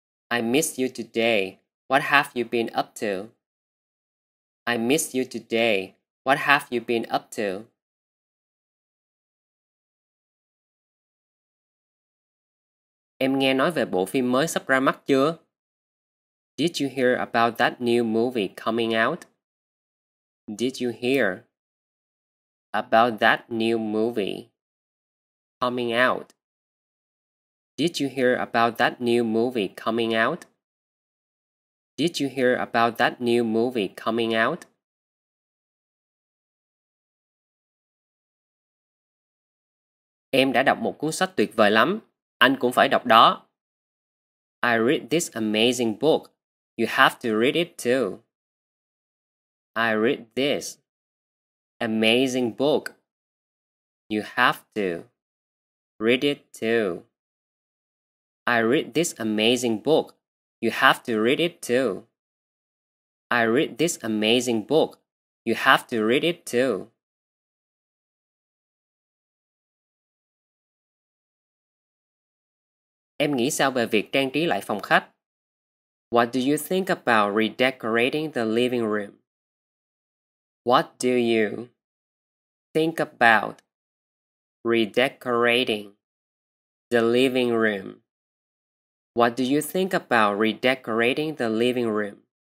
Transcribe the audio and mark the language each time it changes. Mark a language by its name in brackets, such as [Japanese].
[English] I miss you today. What have you been up to? I miss you today. What have you been up to? [Vietnamese] Em nghe nói về bộ phim mới sắp ra mắt chưa? [English] Did you hear about that new movie coming out? Did you hear about that new movie coming out? Did you hear about that new movie coming out? Did you hear about that new movie coming out? [Vietnamese] Em đã đọc một cuốn sách tuyệt vời lắm. Anh cũng phải đọc đó. [English] I read this amazing book. You have to read it too. I read this amazing book. You have to read it too. I read this amazing book. You have to read it too. I read this amazing book. You have to read it too. [Vietnamese] Em nghĩ sao về việc trang trí lại phòng khách? [English] What do you think about redecorating the living room? What do you think about redecorating the living room? What do you think about redecorating the living room?